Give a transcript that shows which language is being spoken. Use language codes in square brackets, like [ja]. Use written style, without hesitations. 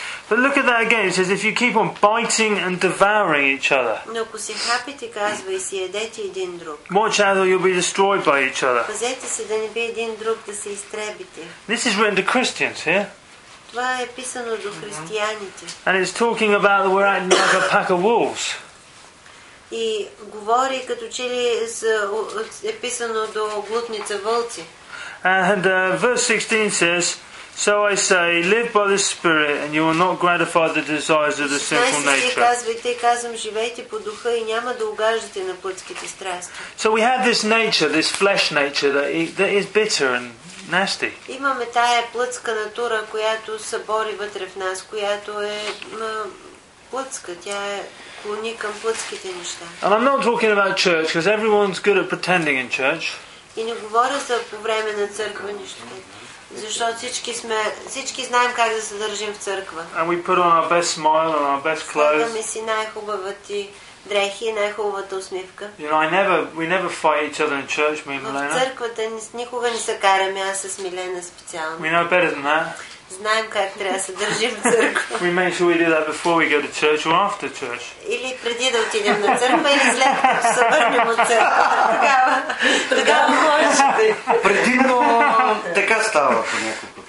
[en] But look at that again. It says, if you keep on biting and devouring each other, [bg] но ако си хапите, казва, и си ядете един друг, [en] watch out or you'll be destroyed by each other. [bg] Пазете се да не би един друг да се изтребите. [en] This is written to Christians here. [bg] Това е писано до християните. [en] And it's talking about that we're acting like a pack of wolves. [bg] И говори като че ли е писано до глутница вълци. [en] And verse 16 says, So I say, live by the Spirit and you will not gratify the desires of the sinful nature. So we have this nature, this flesh nature that is bitter and nasty. [bg] Имаме тая плътска натура, която се бори вътре в нас, която е плътска, тя е клони към плътските неща. [en] And I'm not talking about church because everyone's good at pretending in church. [bg] И не говоря за по време на църква нищо. Защото всички знаем как да се държим в църква. [en] And we put on our best smile and our best clothes. [bg] Слагаме си най-хубавата дрехи и най-хубавата усмивка. [en] You know, we never fight each other in church, me and Milena. [bg] В църквата никога не се караме аз с Милена специално. [en] We know better than that. [bg] Знаем как трябва да се държим в църква. [en] We make sure we do that before we go to church or after church. [bg] Или преди да отидем на църква или след като се върнем от църква. Тогава може. Предимно така става понякога.